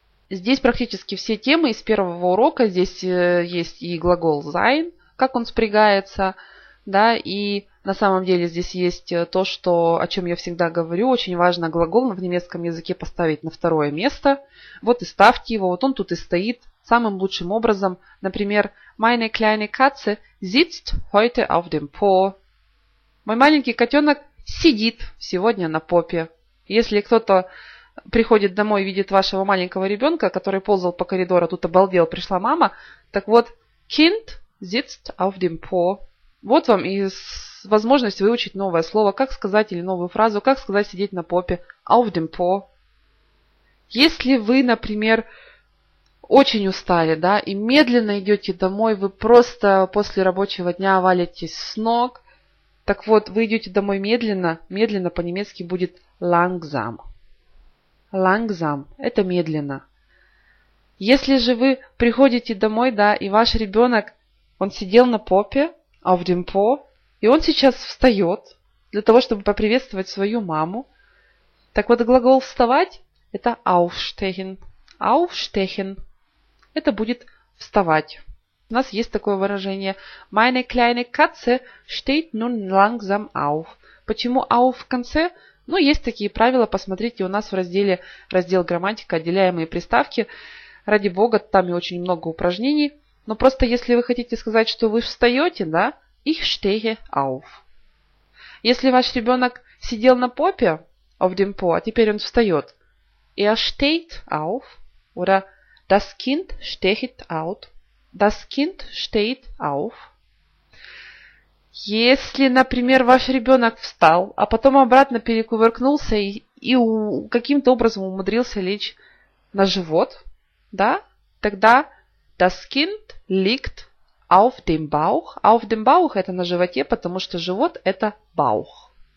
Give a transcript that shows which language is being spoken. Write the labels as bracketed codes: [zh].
[ru] Здесь практически все темы из первого урока. Здесь есть и глагол sein, как он спрягается, да, и на самом деле здесь есть то, что, о чем я всегда говорю, очень важно глагол в немецком языке поставить на второе место. Вот и ставьте его, вот он тут и стоит самым лучшим образом. Например, [de] meine kleine Katze sitzt heute auf dem Po. [ru] Мой маленький котенок сидит сегодня на попе. Если кто-то приходит домой и видит вашего маленького ребенка, который ползал по коридору, тут обалдел, пришла мама, так вот, [de] Kind sitzt auf dem Po. [ru] Вот вам и возможность выучить новое слово, как сказать или новую фразу, как сказать сидеть на попе. [de] Auf dem Po. [ru] Если вы, например, очень устали, да, и медленно идете домой, вы просто после рабочего дня валитесь с ног, так вот, вы идете домой медленно, медленно по-немецки будет langsam. Langsam – это медленно. Если же вы приходите домой, да, и ваш ребенок, он сидел на попе, [de] auf dem Po, [ru] и он сейчас встает для того, чтобы поприветствовать свою маму, так вот глагол «вставать» – это aufstehen. Aufstehen – это будет «вставать». У нас есть такое выражение [de] «Meine kleine Katze steht nun langsam auf». [ru] Почему «auf» в конце? Ну, есть такие правила, посмотрите, у нас в разделе «Раздел грамматика», «Отделяемые приставки». Ради бога, там и очень много упражнений. Но просто если вы хотите сказать, что вы встаете, да, [de] ich stehe auf. [ru] Если ваш ребенок сидел на попе, auf dem Po, а теперь он встает, [de] er steht auf, oder das Kind steht out, das Kind steht auf. [ru] Если, например, ваш ребенок встал, а потом обратно перекувыркнулся и каким-то образом умудрился лечь на живот, да, тогда [de] das Kind liegt auf dem Bauch. Auf dem Bauch [ru] – это на животе, потому что живот – это Bauch.